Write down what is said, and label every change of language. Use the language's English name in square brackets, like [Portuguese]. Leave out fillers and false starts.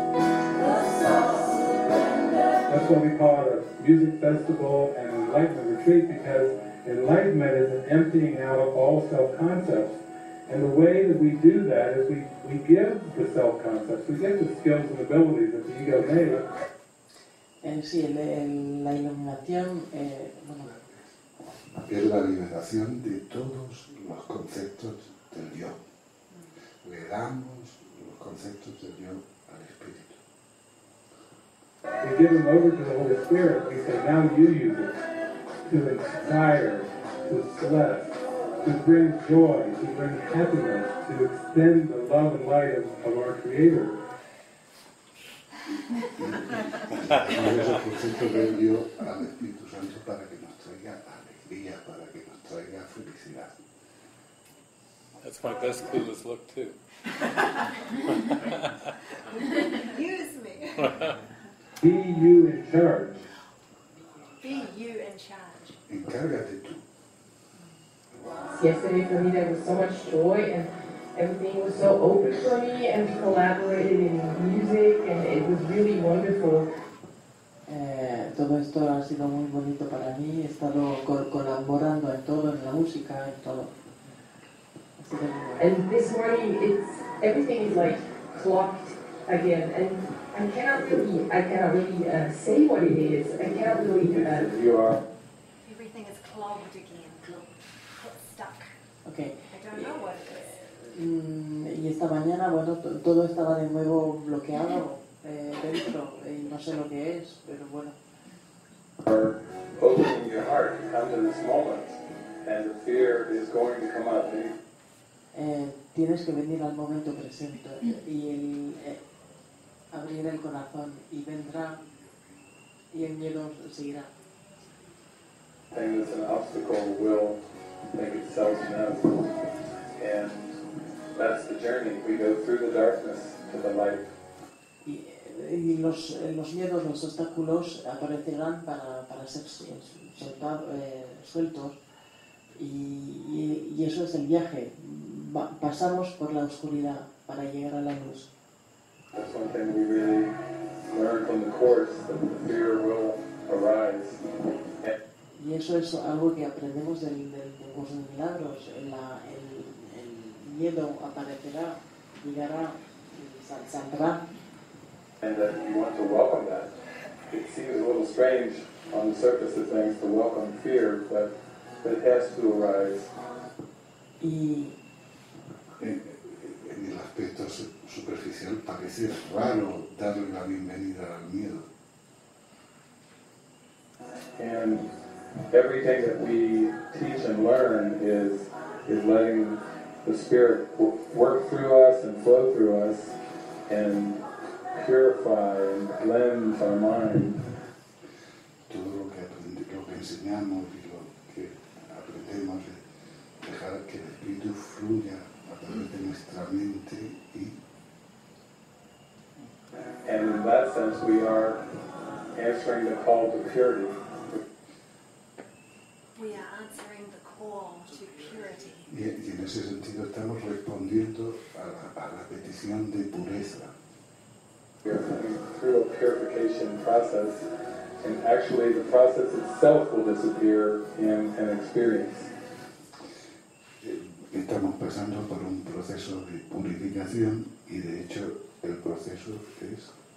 [English] That's going to be part of music festival and enlightenment retreat, because enlightenment is an emptying out of all self-concepts. And the way that we do that is we give the self-concepts, we give the skills and abilities that the ego made. [Spanish] Sí, la iluminación, bueno. Es la liberación de todos los conceptos del yo. Le damos los conceptos del yo al Espíritu. [English] We give them over to the Holy Spirit. We say, now you use it to inspire, to bless, to bring joy, to bring happiness, to extend the love and light of our Creator. [Spanish] Damos los conceptos del yo al Espíritu Santo para que nos traiga alegría, para que nos traiga felicidad. [English] That's my best clueless look, too. Use me. Be you in charge. Be you in charge. [Spanish] Encárgate tú. [English] Yesterday for me there was so much joy and everything was so open for me and we collaborated in music and it was really wonderful. [Spanish] Todo esto ha sido muy bonito para mí. He estado colaborando en todo, en la música, en todo. [English] And this morning, everything is like clocked again, and I cannot really say what it is. I cannot really. You are. Everything is clogged again, stuck. Okay. I don't know what it is. [Spanish] Y esta mañana, bueno, todo estaba de nuevo bloqueado dentro, y no sé lo que es, pero bueno. [English] Opening your heart to come to this moment, and the fear is going to come up. [Spanish] Tienes que venir al momento presente y abrir el corazón y vendrá y el miedo seguirá. [English] Pain is an obstacle will make itself known, and that's the journey we go through, the darkness to the light. [Spanish] Y los miedos, los obstáculos aparecerán para ser sueltos y eso es el viaje. Pasamos por la oscuridad para llegar a la luz. [English] That's one thing we really learned from the course. course, the fear will arise. [Spanish] Y eso es algo que aprendemos del curso de milagros. El miedo aparecerá, llegará, saldrá. [English] And that you want to welcome that. It seems a little strange on the surface of things to welcome fear, but it has to arise. [Spanish] Y en el aspecto superficial parece raro darle la bienvenida al miedo. [English] And everything that we teach and learn is letting the spirit work through us and flow through us and purify and cleanse our mind. [Spanish] Todo lo que aprendemos, lo que enseñamos y lo que aprendemos es dejar que el espíritu fluya a través de nuestra mente y. [English] And in that sense, we are answering the call to purity. We are answering the call to purity. [Spanish] Y en ese sentido estamos respondiendo a la petición de pureza. [English] We are coming through a purification process, and actually the process itself will disappear in an experience. [Spanish] Estamos pasando por un proceso de purificación, y de hecho el proceso es...